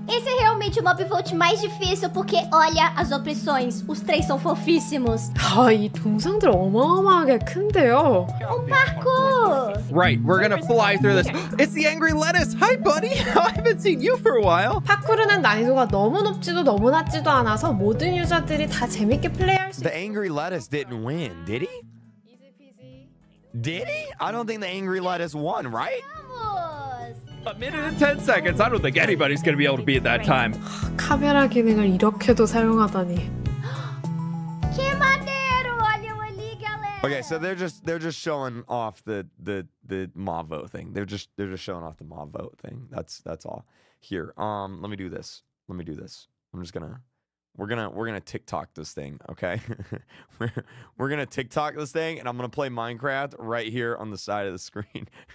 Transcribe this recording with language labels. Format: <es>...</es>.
<pt>Esse é realmente o mob vote mais difícil porque olha as opções, os três são fofíssimos.</pt> <ko>Ai, 동상들 어마어마하게 큰데요.</ko> <pt>O Marco!</pt> <en>Right, we're gonna fly through this. It's the Angry Lettuce! Hi, buddy! I haven't seen you for a while.</en> <ko>파쿠르는 난이도가 너무 높지도 너무 낮지도 않아서 모든 유저들이 다 재밌게 플레이할 수 있어.</ko> <en>The Angry Lettuce didn't win, did he? Did he? I don't think the Angry Lettuce won, right? A minute and 10 seconds. I don't think anybody's going to be able to beat that time.</en> <ko>카메라 기능을 이렇게도 사용하다니.</ko> <pt>Que maneiro! Olha ali, galera.</pt> <en>Okay, so they're just showing off the mob vote thing. They're just showing off the mob vote thing. That's all. Here. Let me do this. We're going to TikTok this thing, okay? we're going to TikTok this thing and I'm going to play Minecraft right here on the side of the screen.</en>